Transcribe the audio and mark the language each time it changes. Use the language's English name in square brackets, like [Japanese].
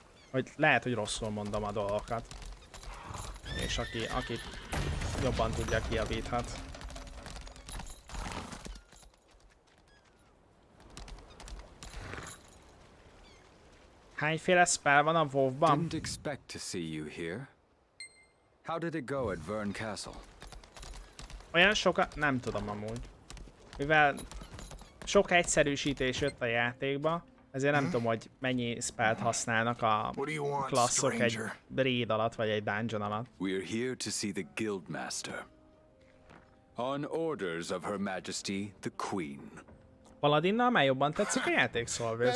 [Hungarian] Hogy lehet, hogy rosszul mondom a dolgokat. És aki jobban tudja, kijavíthat. Hányféle spell van a WoW-ban? [English] Didn't expect to see you here. How did it go at Verne Castle? [Hungarian] Olyan sokat... nem tudom amúgy. Mivel sok egyszerűsítés jött a játékba, ezért nem tudom, hogy mennyi spellt használnak a klasszok egy raid alatt, vagy egy dungeon alatt. [English] We're here to see the Guildmaster. On orders of Her Majesty the Queen. [Hungarian] Paladinnal már jobban tetszik a játék, Solvers.